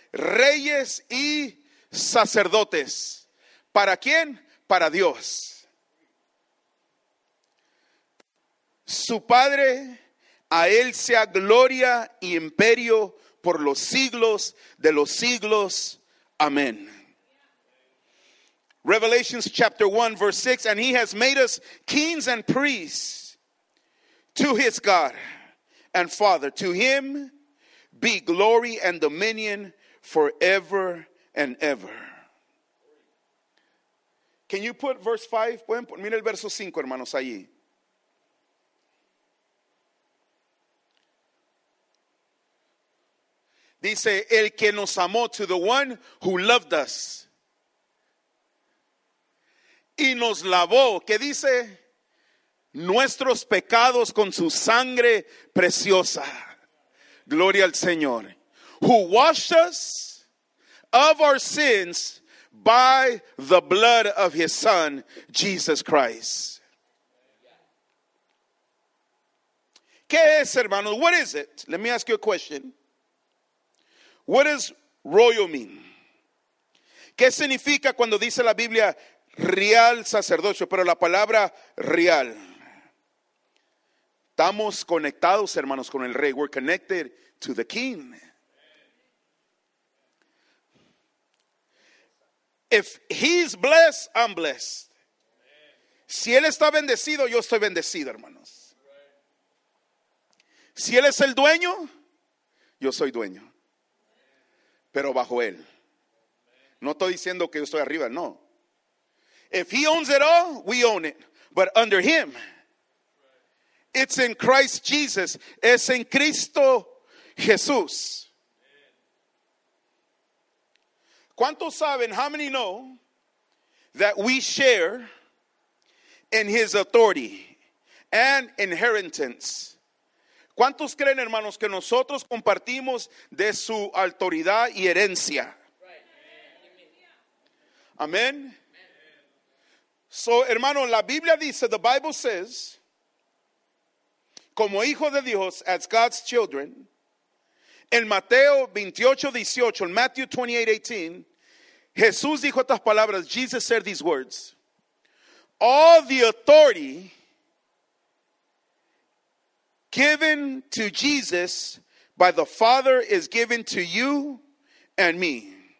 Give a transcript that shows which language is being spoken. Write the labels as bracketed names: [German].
[Spanish] Reyes y sacerdotes. ¿Para quién? Para Dios. Su Padre, a Él sea gloria y imperio por los siglos de los siglos. [English] Amén. Revelations chapter 1 verse 6. And He has made us kings and priests to His God and Father. To Him be glory and dominion forever and ever. Can you put verse 5? [Spanish] Pueden poner, mira el verso 5, hermanos, allí. Dice, el que nos amó, [English] to the one who loved us. [Spanish] Y nos lavó, ¿qué dice? nuestros pecados con su sangre preciosa. Gloria al Señor. [English] Who washed us of our sins by the blood of his son, Jesus Christ. [Spanish] ¿Qué es, hermanos? [English] What is it? Let me ask you a question. What does royal mean? [Spanish] ¿Qué significa cuando dice la Biblia real sacerdocio? Pero la palabra real. Estamos conectados, hermanos, con el rey. [English] We're connected to the king. If he's blessed, I'm blessed. [Spanish] Si él está bendecido, yo estoy bendecido, hermanos. Si él es el dueño, yo soy dueño. Pero bajo él. No estoy diciendo que yo estoy arriba, no. [English] If he owns it all, we own it. But under him, it's in Christ Jesus. [Spanish] Es en Cristo Jesús. ¿Cuántos saben? [English] How many know that we share in his authority and inheritance? [Spanish] ¿Cuántos creen, hermanos, que nosotros compartimos de su autoridad y herencia? [English] Amén. So, [Spanish] hermano, la Biblia dice, [English] the Bible says, [Spanish] como hijo de Dios, [English] as God's children, en Mateo 28:18, en Matthew 28:18, [Spanish] Jesús dijo estas palabras, [English] Jesus said these words, all the authority given to Jesus by the Father is given to you and me.